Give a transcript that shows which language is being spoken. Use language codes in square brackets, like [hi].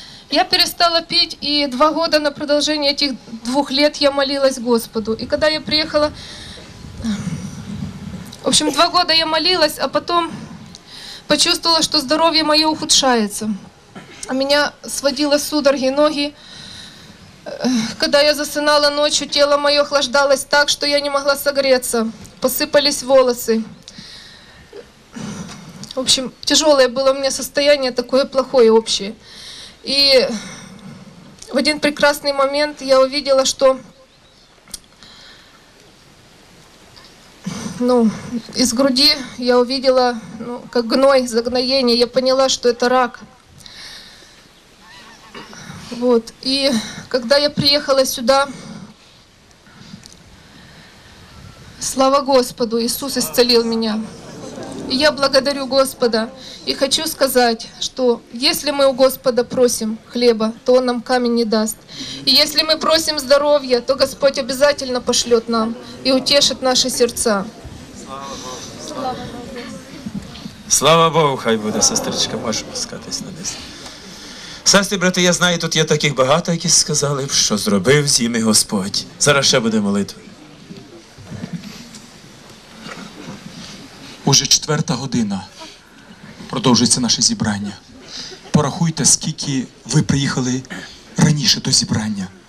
[uk] Я перестала пити, і два роки на продовження цих двох років я молилась Господу. І коли я приїхала, в общем, два роки я молилась, а потім почувствовала, що здоров'я моє ухудшається. А мене сводило судороги, ноги. [ru] Когда я засинала ночью, тело мое охлаждалось так, что я не могла согреться. Посыпались волосы. В общем, тяжелое было у меня состояние, такое плохое общее. И в один прекрасный момент я увидела, что ну, из груди я увидела, ну, как гной, загноение. Я поняла, что это рак. Вот. И когда я приехала сюда, слава Господу, Иисус исцелил меня. И я благодарю Господа и хочу сказать, что если мы у Господа просим хлеба, то Он нам камень не даст. И если мы просим здоровья, то Господь обязательно пошлет нам и утешит наши сердца. Слава Богу! [uk] Слава Богу, хай буде, сестричка, можеш пускатись на десь. Сестри, брати, я знаю, тут є таких багато, які сказали б, що зробив з ними Господь. Зараз ще буде молитва. Уже четверта година продовжується наше зібрання. Порахуйте, скільки ви приїхали раніше до зібрання.